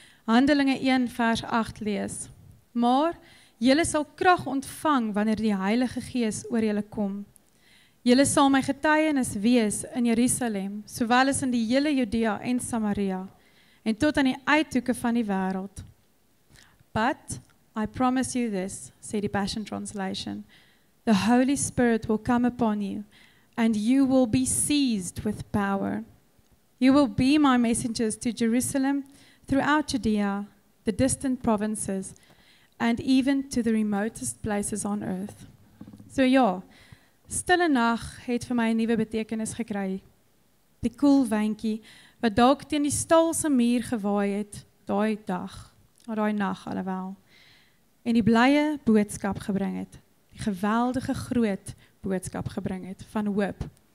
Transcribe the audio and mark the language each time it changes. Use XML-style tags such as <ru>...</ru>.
<af>Handelinge 1 vers 8 lees. Maar julle sal krag ontvang wanneer die Heilige Gees oor julle kom. Julle sal my getuienis wees in Jerusalem, sowel as in die hele Judea en Samaria, en tot aan die uithoeke van die wêreld.</af> <en>But I promise you this,</en> <af>sê die</af> <en>Passion Translation, the Holy Spirit will come upon you and you will be seized with power. You will be my messengers to Jerusalem, throughout Judea, the distant provinces, and even to the remotest places on earth.</en> <af>So ja, stille nag het vir my 'n nuwe betekenis gekry. Die koel windjie wat dalk teen die stalse muur gewaai het daai dag, of daai nag alhoewel, en die blye boodskap gebring het, die geweldige groot boodskap gebring het van hoop.</af>